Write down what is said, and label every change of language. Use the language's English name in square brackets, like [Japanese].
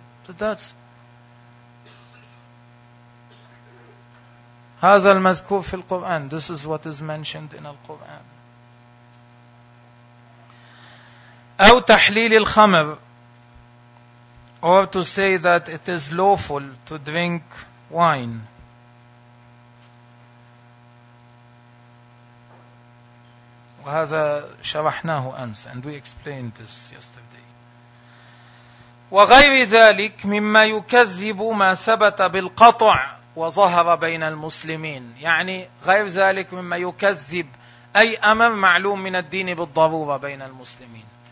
[English] So that's [Arabic] هذا المذكور في القرآن. [English] This is what is mentioned in Al-Quran. [Arabic] أو تحليل الخمر. [English] Or to say that it is lawful to drink wine. [Arabic] وهذا شرحناه أمس, [English] and we explained this yesterday. [Arabic] وغير ذلك مما يكذب ما ثبت بالقطع وظهر بين المسلمين. يعني غير ذلك مما يكذب أي أمر معلوم من الدين بالضرورة بين المسلمين.